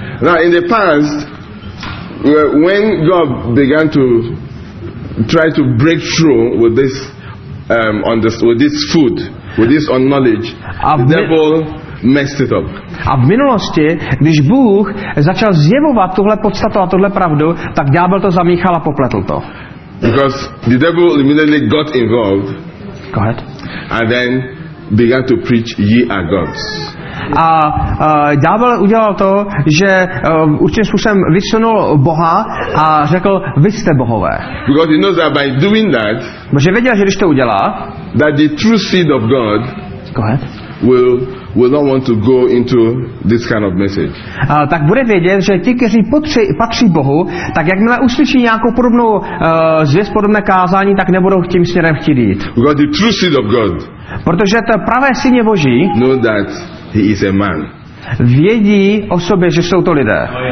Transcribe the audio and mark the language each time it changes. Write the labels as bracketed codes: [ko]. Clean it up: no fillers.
[en] Now in the past, when God began to try to break through with this with this food, with this knowledge, the devil messed it up. [cs] A v minulosti, když Bůh začal zjevovat tuhle podstatu a tuhle pravdu, tak ďábel to zamíchal a popletl to. [en] Because the devil immediately got involved. Go ahead. And then began to preach, ye are gods. [cs] A ďábel udělal to, že určitým způsobem vysunul Boha a řekl, vy jste bohové. [en] Because he knows that by doing that, [cs] protože věděl, že když to udělá, [en] that the true seed of God, go ahead, will not want to go into this kind of message. [cs] Tak bude vědět, že ti, kteří patří Bohu, tak jakmile uslyší nějakou podobnou zvěst, podobné kázání, tak nebudou tím směrem chtít jít. [en] Because the true seed of God, [cs] protože to pravé syně Boží, [en] know that he is a man. [cs] Vědí o sobě, že jsou to lidé.